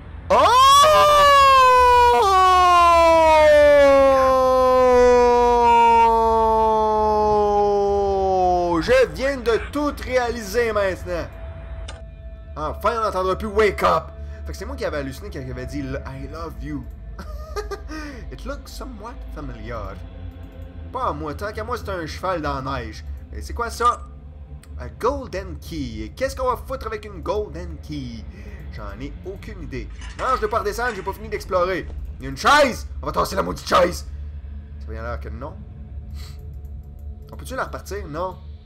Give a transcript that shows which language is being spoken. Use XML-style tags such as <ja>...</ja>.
<fr>Oh! Je viens de tout réaliser maintenant. Enfin, on n'entendra plus Wake Up! Fait que c'est moi qui avais halluciné quand j'avais dit</fr> <en>I love you. It looks somewhat familiar.</en> <fr>Pas à moi, tant qu'à moi c'est un cheval dans la neige. Et c'est quoi ça?</fr> <en>A golden key.</en> <fr>Qu'est-ce qu'on va foutre avec une golden key? J'en ai aucune idée. Non, je ne vais pas redescendre, j'ai pas fini d'explorer. Il y a une chaise! On va tasser la maudite chaise! Ça vient l'air que non. On peut-tu la repartir? Non.</fr>